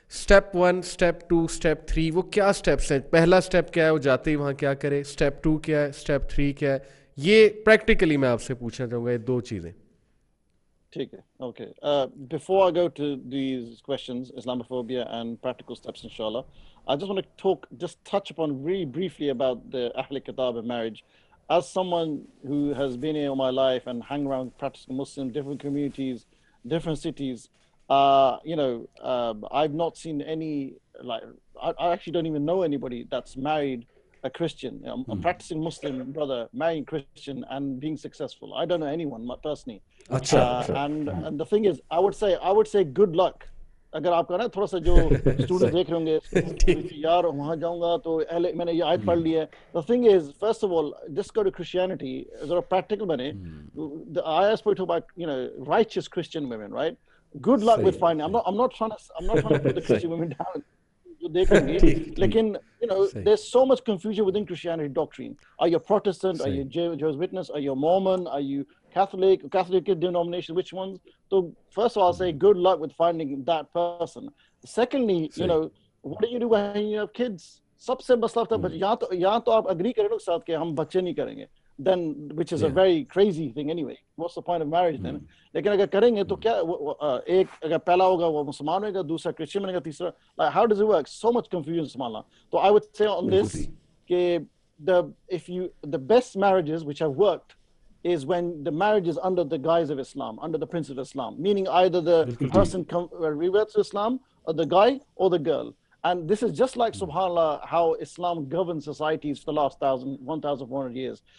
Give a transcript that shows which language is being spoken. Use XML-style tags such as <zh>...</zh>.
<hi>Step one, step to, step three, वो क्या steps हैं? पहला स्टेप क्या है, वो जाते ही वहाँ क्या करे, स्टेप टू क्या है, स्टेप थ्री क्या है, ये प्रैक्टिकली मैं आपसे पूछना चाहूँगा, ये दो चीज़ें। ठीक है, okay.</hi> <en>Before I go to these questions, Islamophobia and practical steps इंशाल्लाह, I just want to talk, just touch upon really briefly about the अहले किताब and marriage. As someone who has been in my life and hang around practicing Muslim different communities, different cities, you know, I've not seen any, like, I actually don't even know anybody that's married a Christian, a practicing Muslim brother marrying Christian and being successful. I don't know anyone personally.</en> <hi>Achha,</hi> <en>and the thing is, I would say good luck.</en> <hi>अगर आप कह रहे हैं थोड़ा सा जो student देख रहे होंगे यार वहां जाऊंगा तो पहले मैंने ये आयत पढ़ ली है,</hi> <en>the thing is first of all just go to Christianity</en> <hi>जरा प्रैक्टिकल बने,</hi> <en>the आयत spoke about you know righteous Christian women, right, good luck with finding, I am not trying to put the Christian women down,</en> <hi>जो देखेंगे, लेकिन</hi> <en>You know there is so much confusion within Christianity doctrine, are you Protestant, are you Jehovah witness, are you Mormon, are you Catholic, Catholic denomination, which ones? So first of all, I'll say good luck with finding that person. Secondly, see, you know, what do you do when you have kids?</en> <hi>सबसे मसला था, but या तो आप agree करें लोग साथ के हम बच्चे नहीं करेंगे,</hi> <en>then which is a very crazy thing anyway. What's the point of marriage then?</en> <hi>लेकिन अगर करेंगे तो क्या एक अगर पहला होगा वो मुसलमान होगा, दूसरा क्रिश्चियन बनेगा, तीसरा,</hi> <en>like, how does it work? So much confusion माला. तो I would say on this के the best marriages which have worked is when the marriage is under the guise of Islam, under the prince of Islam, meaning either the person reverts to Islam, or the guy or the girl. And this is just like, subhanAllah, how Islam governs societies for the last 1,400 years.</en>